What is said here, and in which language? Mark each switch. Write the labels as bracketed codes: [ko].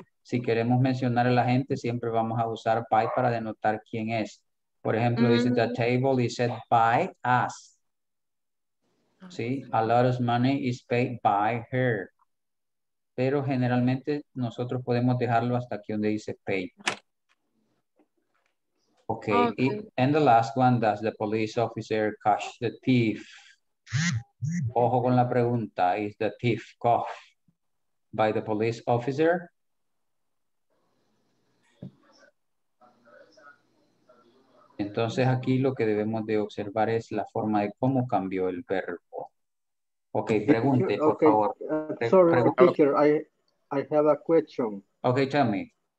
[es] Si queremos mencionar a la gente, siempre vamos a usar by para denotar quién es. Por ejemplo, dice [en] the table is set by us. Sí, a lot of money is paid by her. [es] Pero generalmente nosotros podemos dejarlo hasta aquí donde dice pay. [en] Okay. Okay, and the last one, does the police officer catch the thief? [es] Ojo con la pregunta, [en] is the thief caught by the police officer? [es] Entonces aquí lo que debemos de observar es la forma de cómo cambió el verbo. Okay, pregunte, por okay. favor. [en] Sorry, teacher, I have a question. Okay, tell me.